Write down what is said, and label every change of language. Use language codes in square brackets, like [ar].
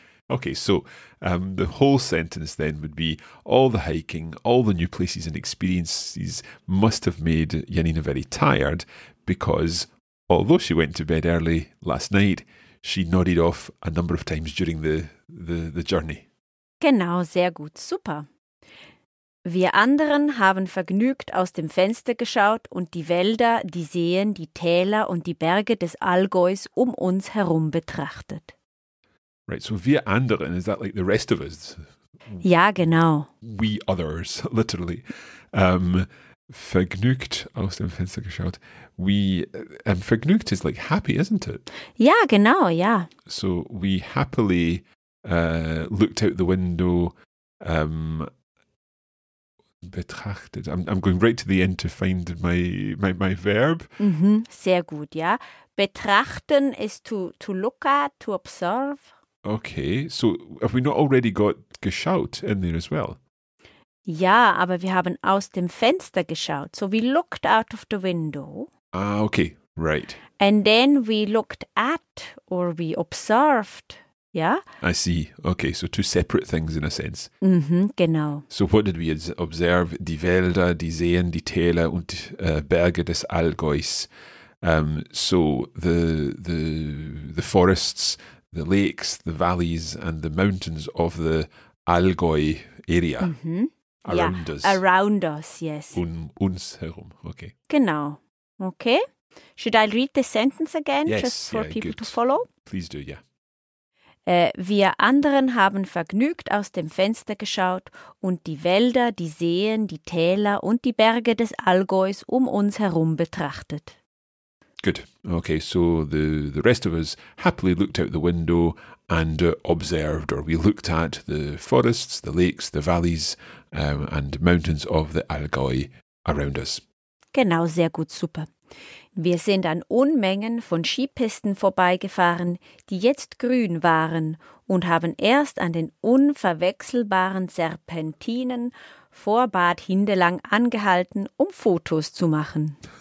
[en] Okay, so the whole sentence then would be all the hiking, all the new places and experiences must have made Janina very tired because although she went to bed early last night, she nodded off a number of times during the journey. [de] Genau, sehr gut, super. Wir anderen haben vergnügt aus dem Fenster geschaut und die Wälder, die Seen, die Täler und die Berge des Allgäus um uns herum betrachtet. [en] Right, so [de] wir anderen, [en] is that like the rest of us? [de] Ja, genau. [en] We others, literally. [de] Vergnügt aus dem Fenster geschaut. [en] Vergnügt is like happy, isn't it? [de] Ja, genau, ja. [en] So we happily looked out the window, betrachtet. I'm going right to the end to find my verb. Mm-hmm. [de] Sehr gut, ja. [en] Betrachten is to look at, to observe. Okay, so have we not already got geschaut in there as well? [de] Ja, aber wir haben aus dem Fenster geschaut. [en] So we looked out of the window. Ah, okay, right. And then we looked at or we observed, yeah? I see. Okay, so two separate things in a sense. [de] Mm-hmm, genau. [en] So what did we observe? [de] Die Wälder, die Seen, die Täler und Berge des Allgäus. [en] So the forests, the lakes, the valleys and the mountains of the Allgäu area. Mm-hmm. Around yeah, us. Around us, yes. [de] Uns herum, okay. [en] Genau, okay. Should I read the sentence again, yes, just for yeah, people good. To follow? Please do, yeah. [de] Wir anderen haben vergnügt aus dem Fenster geschaut und die Wälder, die Seen, die Täler und die Berge des Allgäus um uns herum betrachtet. [en] Good, okay. So the rest of us happily looked out the window and observed, or we looked at the forests, the lakes, the valleys, and mountains of the Allgäu around us. [de] Genau, sehr gut, super. Wir sind an Unmengen von Skipisten vorbeigefahren, die jetzt grün waren, und haben erst an den unverwechselbaren Serpentinen vor Bad Hindelang angehalten, um Fotos zu machen.